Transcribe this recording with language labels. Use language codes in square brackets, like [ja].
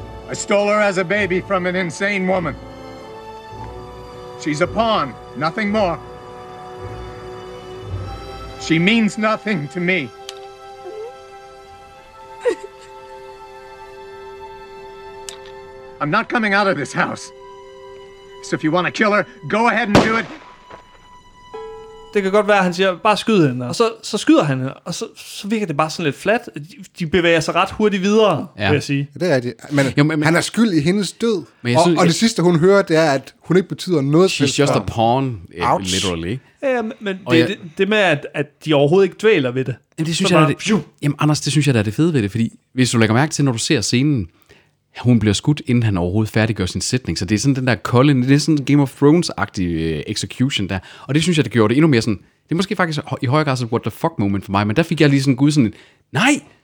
[en] I stole her as a baby from an insane woman. She's a pawn, nothing more. She means nothing to me. I'm not coming out of this house. So if you want to kill her, go ahead and do it. [da] Det kan godt være, at han siger, bare skyd hende. Og så skyder han, og så virker det bare sådan lidt flat. De bevæger sig ret hurtigt videre, vil jeg sige. Ja, det er rigtigt. Men, han er skyld i hendes død. Men jeg synes, det sidste, hun hører, det er, at hun ikke betyder noget. [en] She's just a pawn, literally. [da] Ja, men det med, at de overhovedet ikke dvæler ved det. Jamen, det synes jeg, Anders, det synes jeg, der er det fede ved det. Fordi hvis du lægger mærke til, når du ser scenen, hun bliver skudt, inden han overhovedet færdiggør sin sætning. Så det er sådan den der kolde, det er sådan Game of Thrones-agtig execution der. Og det synes jeg, det gjorde det endnu mere sådan, det er måske faktisk i højere grad sådan [en] what the fuck moment [da] for mig, men der fik jeg lige sådan gud sådan, nej!